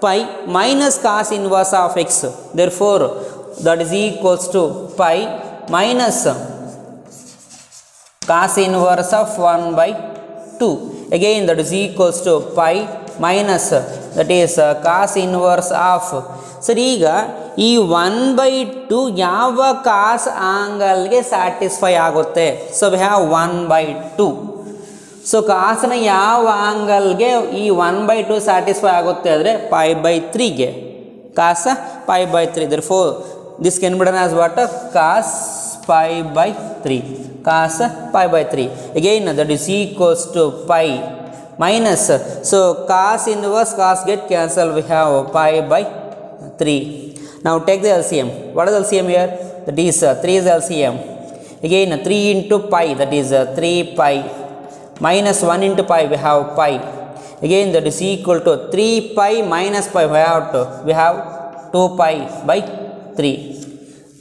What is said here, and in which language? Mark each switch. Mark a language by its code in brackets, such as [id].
[en] Pi minus cos inverse of x. Therefore that is equals to pi minus cos inverse of 1 by 2. Again, that is equals to pi minus, that is cos inverse of. [kn] ಸರಿ ಈಗ ಈ 1/2 ಯಾವ ಕಾಸ್ ಆಂಗಲ್ಗೆ satisfy ಆಗುತ್ತೆ? [en] So we have 1/2. [kn] So ಕಾಸ್ನ ಯಾವ ಆಂಗಲ್ಗೆ ಈ 1/2 satisfy ಆಗುತ್ತೆ ಅಂದರೆ pi by ತ್ರೀಗೆ. [en] Cos pi by three, therefore this can be written as what cos pi by three. Cos pi by three again that is equals to pi minus. So cos inverse cos get cancel, we have pi by 3. Now take the LCM. What is LCM here? That is 3 is LCM. Again 3 into pi, that is 3 pi minus 1 into pi, we have pi. Again that is equal to 3 pi minus pi, we have 2. We have 2 pi by 3.